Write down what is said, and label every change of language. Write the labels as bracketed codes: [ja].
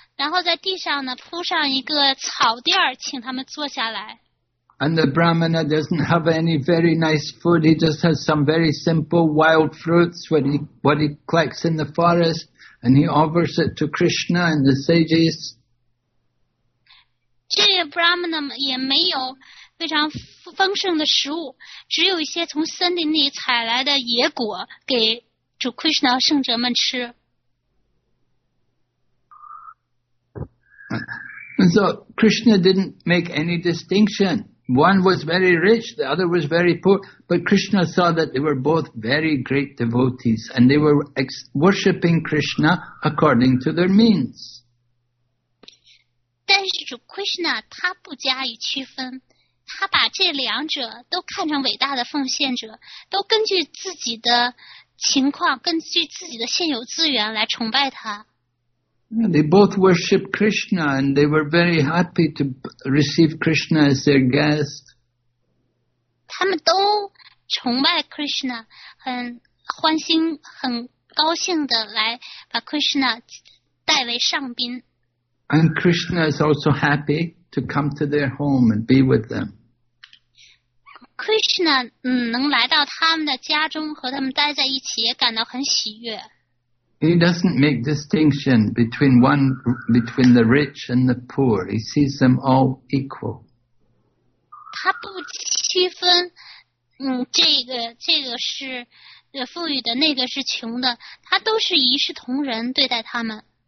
[zh] 然后在地上呢铺上一个草垫请他们坐下来。 [en] And the Brahmana doesn't have any very nice food. He just has some very simple wild fruits what he collects in the forest. And he offers it to Krishna and the sages. [zh] 这个 Brahmana 也没有非常丰盛的食物，只有一些从森林里采来的野果给主 Krishna 和圣哲们吃。 [en] And so Krishna didn't make any distinction. One was very rich, the other was very poor. But Krishna saw that they were both very great devotees and they were worshipping Krishna according to their means. [zh] 但是主 Krishna 他不加以区分，他把这两者都看成伟大的奉献者，都根据自己的情况，根据自己的现有资源来崇拜他。 [en] They both worship Krishna and they were very happy to receive Krishna as their guest. [zh] 他们都崇拜 Krishna, 很欢欣很高兴地来把 Krishna 带为上宾。 [en] And Krishna is also happy to come to their home and be with them. [zh] Krishna, 能来到他们的家中和他们待在一起也感到很喜悦。 [en] He doesn't make distinction between the rich and the poor. He sees them all equal. [zh] 他不区分，这个是富裕的，那个是穷的，他都是一视同仁对待他们。